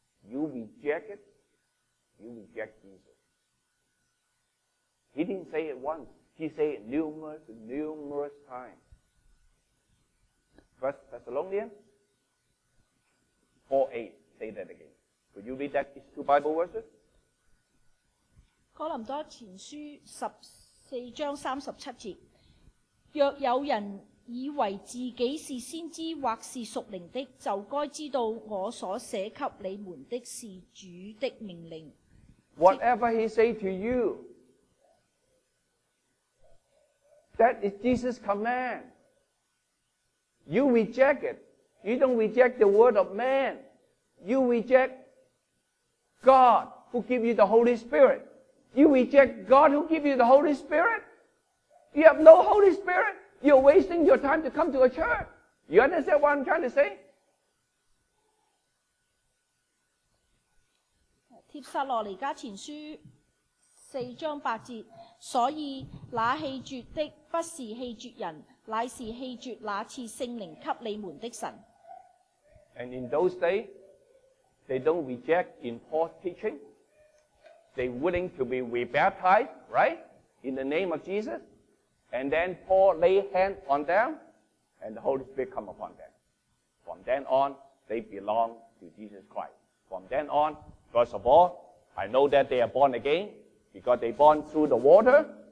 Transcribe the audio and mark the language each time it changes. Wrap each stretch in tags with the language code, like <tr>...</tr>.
<en>You reject it, you reject Jesus. He didn't say it once. He said it numerous times. 1 Thessalonians 4:8. Say that again. Could you read that, these two Bible verses?</en> <zh>哥林多前书十四章三十七节，若有人以为自己是先知或是属灵的，就该知道我所写给你们的是主的命令。</zh> <en>Whatever he say to you, that is Jesus' command. You reject it. You don't reject the word of man. You reject God who give you the Holy Spirit. You reject God who give you the Holy Spirit. You have no Holy Spirit. You're wasting your time to come to a church. You understand what I'm trying to say?</en> <zh>帖撒罗尼迦前书四章八节，所以那弃绝的不是弃绝人，乃是弃绝那赐圣灵给你们的神。</zh> <en>And in those days, they don't reject in Paul's teaching. They're willing to be rebaptized, right? In the name of Jesus. And then Paul laid hands on them, and the Holy Spirit come upon them. From then on, they belong to Jesus Christ. From then on, first of all, I know that they are born again, because they born through the water.</en>